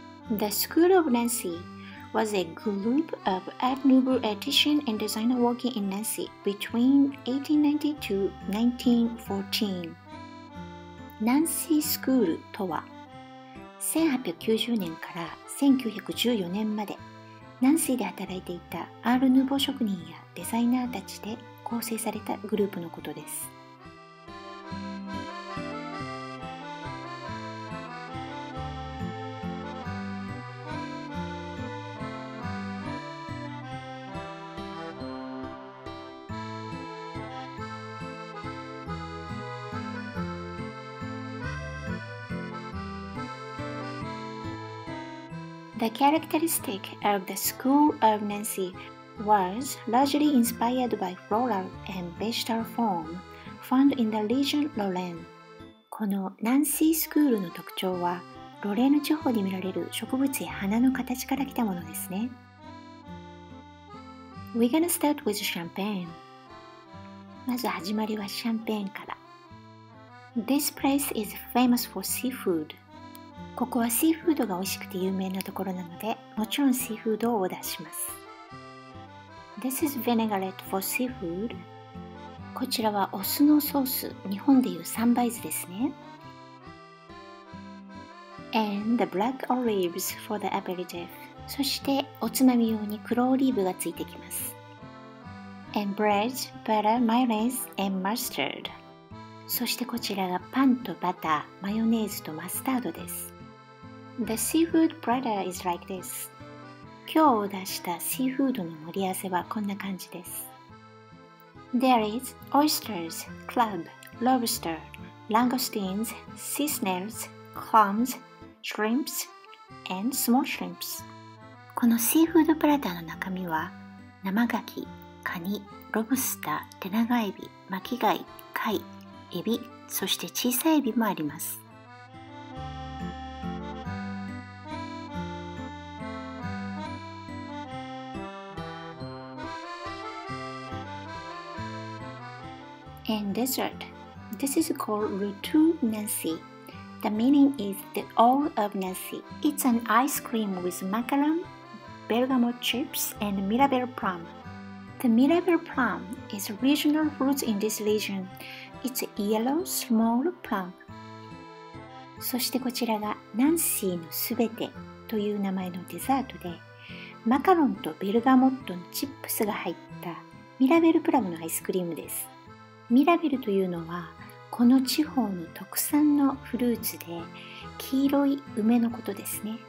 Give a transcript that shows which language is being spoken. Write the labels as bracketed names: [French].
[English] The School of Nancy was a group of Art Nouveau artisans and designers working in Nancy between 1890 to 1914. [Japanese] ナンシースクールとは、1890年から1914年まで、ナンシーで働いていたアール・ヌーボー職人やデザイナーたちで構成されたグループのことです。 [English] The characteristic of the School of Nancy was largely inspired by floral and vegetal form found in the region Lorraine. [Japanese] このナンシースクールの特徴は、ロレーヌ地方に見られる植物や花の形から来たものですね。 [English] We're gonna start with champagne. [Japanese] まず始まりはシャンペーンから。 [English] This place is famous for seafood. [Japanese] ここはシーフードが美味しくて有名なところなので、もちろんシーフードをオーダーします。 [English] This is vinaigrette for seafood. [Japanese] こちらはお酢のソース、日本でいう三杯酢ですね。 [English] And the black olives for the aperitif. [Japanese] そしておつまみ用に黒オリーブがついてきます。 [English] And bread, butter, mayonnaise, and mustard. [Japanese] そしてこちらがパンとバター、マヨネーズとマスタードです。 [English] The seafood platter is like this. [Japanese] 今日お出したシーフードの盛り合わせはこんな感じです。 [English] There is oysters, crab, lobster, langoustines, sea snails, clams, shrimps, and small shrimps. [Japanese] このシーフードプラターの中身は生ガキ、カニ、ロブスター、テナガエビ、巻き貝、貝、エビ、そして小さいエビもあります。 [English] And dessert. This is called Routou Nancy. The meaning is the all of Nancy. It's an ice cream with macaron, bergamot chips, and mirabel plum. The mirabel plum is a regional fruit in this region. It's a yellow, small plum. [Japanese] そしてこちらがナンシーのすべてという名前のデザートで、マカロンとベルガモットのチップスが入ったミラベルプラムのアイスクリームです。ミラベルというのはこの地方の特産のフルーツで、黄色い梅のことですね。